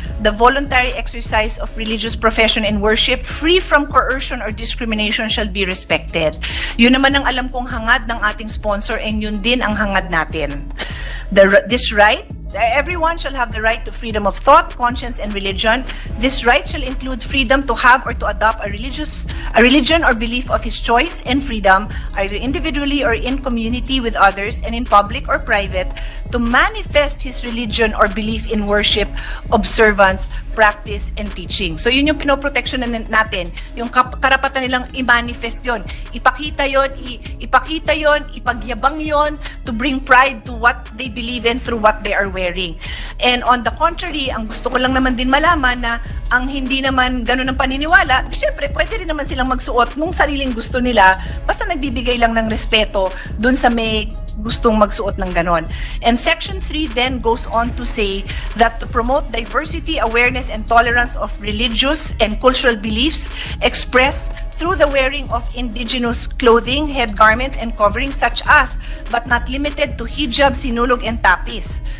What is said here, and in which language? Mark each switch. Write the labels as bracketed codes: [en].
[en] The voluntary exercise of religious profession and worship free from coercion or discrimination shall be respected. [tl] Yun naman ang alam kong hangad ng ating sponsor and yun din ang hangad natin. [en] This right, everyone shall have the right to freedom of thought, conscience, and religion. This right shall include freedom to have or to adopt a religion or belief of his choice, and freedom, either individually or in community with others and in public or private, to manifest his religion or belief in worship, observance, practice, and teaching. [tl] So yun yung pinoprotection natin. Yung karapatan nilang i-manifest yun. Ipakita yun, ipagyabang yun, [en] to bring pride to what they believe in through what they are wearing. And on the contrary, [tl] ang gusto ko lang naman din malaman na ang hindi naman ganun ang paniniwala, syempre, pwede rin naman silang magsuot nung sariling gusto nila, basta nagbibigay lang ng respeto dun sa may gustong magsuot ng ganon. [en] And Section 3 then goes on to say that to promote diversity, awareness, and tolerance of religious and cultural beliefs expressed through the wearing of indigenous clothing, head garments, and coverings such as, but not limited to hijab, sinulog, and tapis.